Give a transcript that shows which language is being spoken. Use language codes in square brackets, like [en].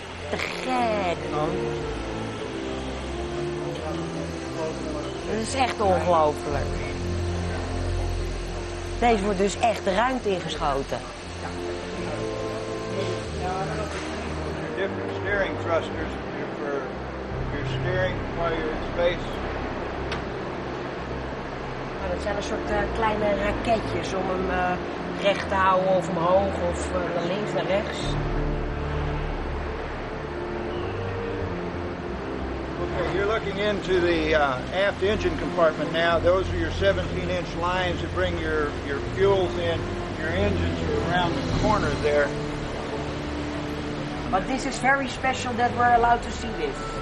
[nl] Te gek, man. Dat is echt ongelooflijk. Deze wordt dus echt de ruimte ingeschoten. [en] Different steering thrusters for your steering while you're in space. [nl] Nou, dat zijn een soort kleine raketjes om hem recht te houden of omhoog of naar links naar rechts. [en] You're looking into the aft engine compartment now. Those are your 17-inch lines that bring your fuels in. Your engines are around the corner there. But this is very special that we're allowed to see this.